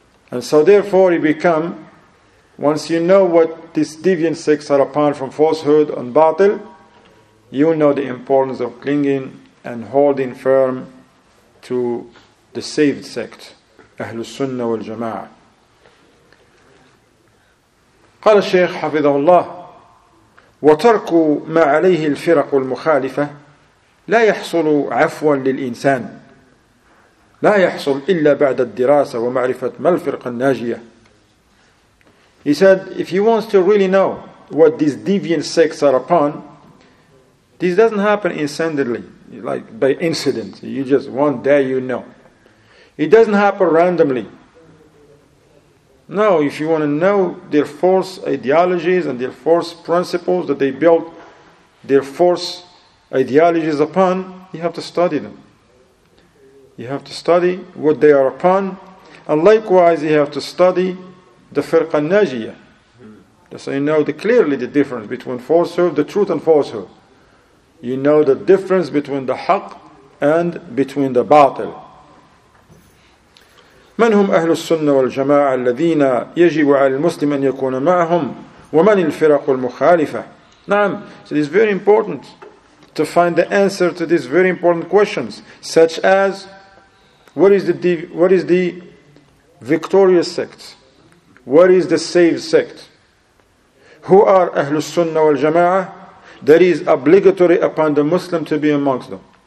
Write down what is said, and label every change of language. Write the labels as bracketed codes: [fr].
[en] And so therefore you become, once you know what these deviant sects are upon from falsehood and batil, you know the importance of clinging and holding firm to the saved sect, Ahlul Sunnah wal Jama'ah. [ar] قال الشيخ حفظه الله وترك ما عليه الفرق المخالفة لا يحصل عفوا للإنسان لا يحصل إلا بعد الدراسة ومعرفة ما الفرق الناجية. [en] He said, if he wants to really know what these deviant sects are upon, this doesn't happen instantly, like by incident. You just one day you know. It doesn't happen randomly. No, if you want to know their false ideologies and their false principles that they built their false ideologies upon, you have to study them. You have to study what they are upon. And likewise, you have to study the firqa najiyah. So you know clearly the difference between falsehood, the truth and falsehood. You know the difference between the haqq and between the batil. [ar] من هم أهل السنة والجماعة الذين يجب على المسلم أن يكون معهم ومن الفرق المخالفة؟ نعم. [en] So it is very important to find the answer to these very important questions, such as what is the victorious sect, what is the saved sect, who are أهل السنة والجماعة that is obligatory upon the Muslim to be amongst them.